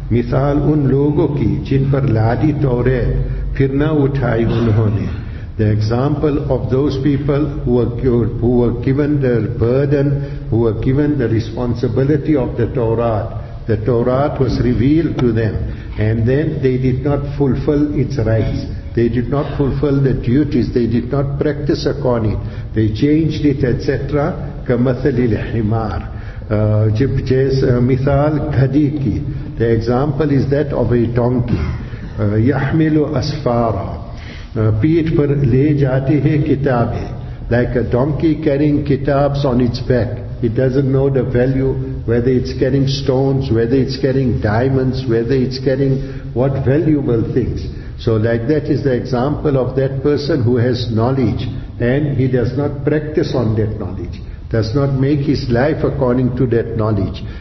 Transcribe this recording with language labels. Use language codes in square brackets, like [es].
[ur] مثال ان لوگوں کی جن پر لادی توریت پھر نہ اٹھائی انہوں نے. [en] The example of those people who were given the burden, who were given the responsibility of the Torah. The Torah was revealed to them, and then they did not fulfill its rights. They did not fulfill the duties. They did not practice upon it. They changed it, etc. [ar] كَمَثَلِ الْحِمَارِ. [ur] مثال گھدی کی. [en] The example is that of a donkey. [ar] يَحْمِلُ أَسْفَارًا. [ur] پیٹ پر لے جاتے ہیں کتابیں. [en] Like a donkey carrying kitabs on its back. It doesn't know the value, whether it's carrying stones, whether it's carrying diamonds, whether it's carrying what valuable things. So like that is the example of that person who has knowledge and he does not practice on that knowledge, does not make his life according to that knowledge.